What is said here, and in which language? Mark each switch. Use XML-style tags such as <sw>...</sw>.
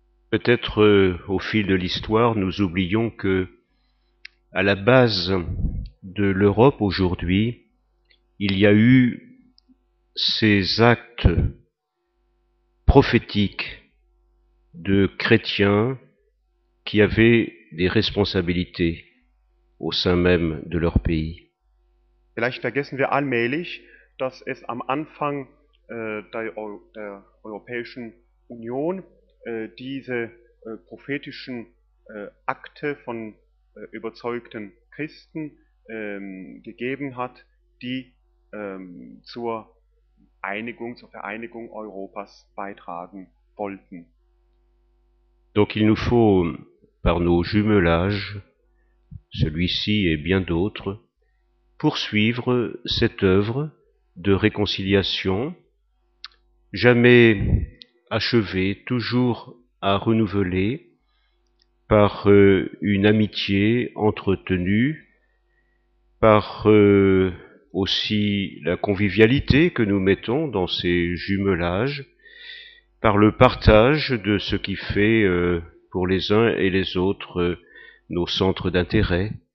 <fr>Peut-être au fil de l'histoire, nous oublions que à la base de l'Europe aujourd'hui, il y a eu ces actes prophétique de chrétiens qui avaient des responsabilités au sein même de leur pays.</fr> <de>Vielleicht vergessen wir allmählich, dass es am Anfang der Europäischen Union diese prophetischen Akte von überzeugten Christen gegeben hat, die zur Einigung, zur Vereinigung Europas beitragen wollten.</de> <fr>Donc il nous faut, par nos jumelages, celui-ci et bien d'autres, poursuivre cette œuvre de réconciliation, jamais achevée, toujours à renouveler, par une amitié entretenue, par aussi la convivialité que nous mettons dans ces jumelages, par le partage de ce qui fait pour les uns et les autres nos centres d'intérêt.</fr>